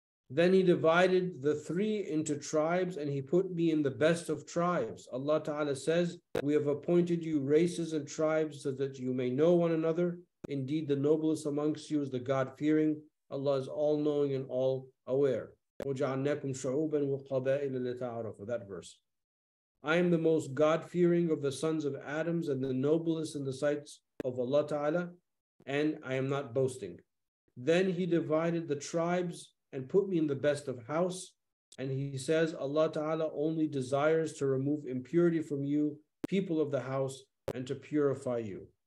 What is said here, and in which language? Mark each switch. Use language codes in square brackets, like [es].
[en] Then he divided the three into tribes and he put me in the best of tribes. Allah Ta'ala says, we have appointed you races and tribes so that you may know one another. Indeed, the noblest amongst you is the God-fearing. Allah is all-knowing and all-aware. [ar] وَجَعَلْنَاكُمْ شَعُوبًا وَقَبَائِلَ لِتَعَرَفُ, [en] that verse. I am the most God-fearing of the sons of Adams and the noblest in the sights of Allah Ta'ala, and I am not boasting. Then he divided the tribes and put me in the best of house, and he says, Allah Ta'ala only desires to remove impurity from you, people of the house, and to purify you.